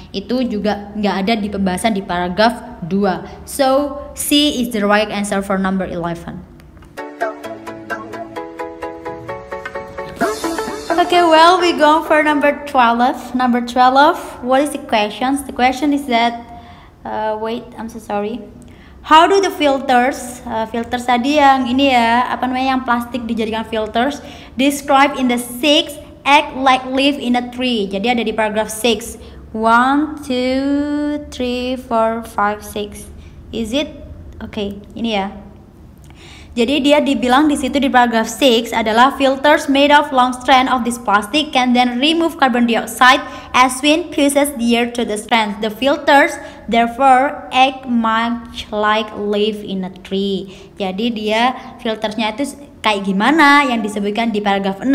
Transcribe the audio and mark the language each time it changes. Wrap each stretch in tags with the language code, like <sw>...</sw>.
<id>Itu juga nggak ada di pembahasan di paragraf 2.</id> <en>So C is the right answer for number 11. Okay, well, we go for number 12. Number 12, what is the question? The question is that, I'm so sorry. How do the filters</en> <id>tadi yang ini ya, apa namanya, yang plastik dijadikan</id> <en>filters, describe in the six act like leaf in a tree.</en> <id>Jadi ada di paragraf 6. 1, 2, 3, 4, 5, 6.</id> <en>Is it? Okay,</en> <id>ini ya. Jadi dia dibilang di situ di paragraf 6 adalah</id> <en>filters made of long strand of this plastic can then remove carbon dioxide as wind pushes the air to the strand. The filters therefore act much like leaf in a tree.</en> <id>Jadi dia filternya itu kayak gimana yang disebutkan di paragraf 6?</id>